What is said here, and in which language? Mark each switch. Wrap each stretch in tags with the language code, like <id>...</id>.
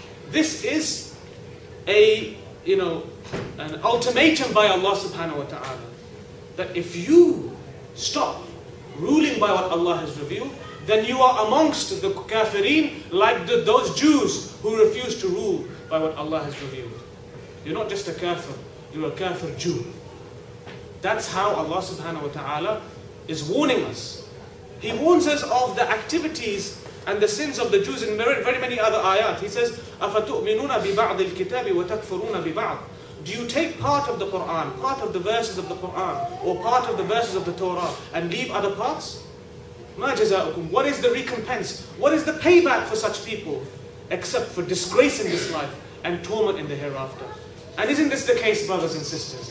<en>This is an ultimatum by Allah subhanahu wa ta'ala, that if you stop ruling by what Allah has revealed, then you are amongst the kafirin, like those Jews who refuse to rule by what Allah has revealed. You're not just a kafir, you're a kafir Jew. That's how Allah subhanahu wa ta'ala is warning us. He warns us of the activities and the sins of the Jews in very many other ayat. He says,</en> <ar>أَفَتُؤْمِنُونَ بِبَعْضِ الْكِتَابِ وَتَكْفُرُونَ بِبَعْضِ.</ar> <en>Do you take part of the Qur'an, part of the verses of the Qur'an, or part of the verses of the Torah, and leave other parts?</en> <ar>مَا جَزَاءُكُمْ.</ar> <en>What is the recompense? What is the payback for such people? Except for disgrace in this life and torment in the hereafter. And isn't this the case, brothers and sisters?</en>